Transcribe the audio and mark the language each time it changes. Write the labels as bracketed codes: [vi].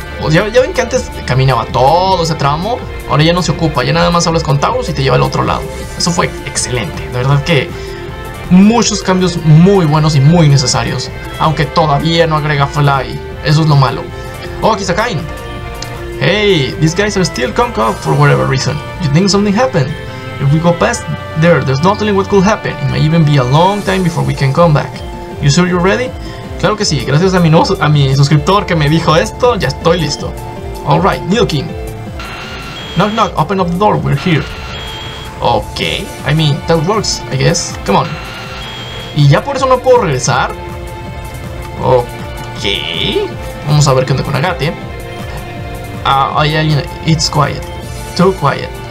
[es] Pues ya ven que antes caminaba todo ese tramo, ahora ya no se ocupa, ya nada más hablas con Taurus y te lleva al otro lado. Eso fue excelente, de verdad que muchos cambios muy buenos y muy necesarios, aunque todavía no agrega Fly, eso es lo malo. Oh, aquí está Kain. [en] Hey, these guys are still conk up for whatever reason. You think something happened? If we go past there, there's not telling what could happen. It may even be a long time before we can come back. You sure you're ready? [es] Claro que sí, gracias a mi suscriptor que me dijo esto, ya estoy listo. [en] Alright, Nidoking. Knock knock, open up the door, we're here. Okay, I mean, that works, I guess. Come on. [es] ¿Y ya por eso no puedo regresar? Okay. Vamos a ver qué onda con Agate. Hay alguien. [en] It's quiet. Too quiet.